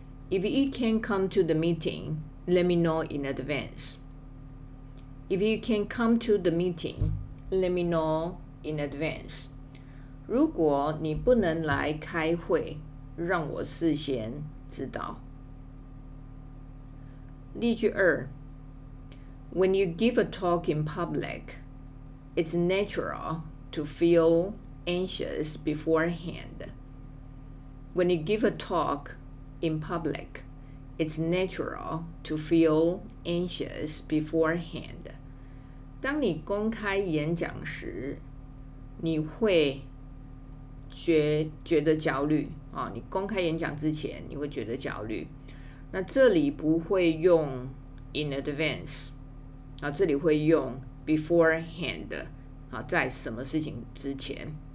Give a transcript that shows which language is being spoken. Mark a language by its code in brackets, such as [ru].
[en] If you can come to the meeting, let me know in advance. If you can come to the meeting, let me know in advance. [zh] 如果你不能来开会，让我事先知道。例句二。 [en] When you give a talk in public, it's natural to feel anxious beforehand. When you give a talk,In public, it's natural to feel anxious beforehand. [zh] 当你公开演讲时，你会觉得焦虑啊。你公开演讲之前，你会觉得焦虑。那这里不会用 in advance 啊，这里会用 beforehand 啊，在什么事情之前。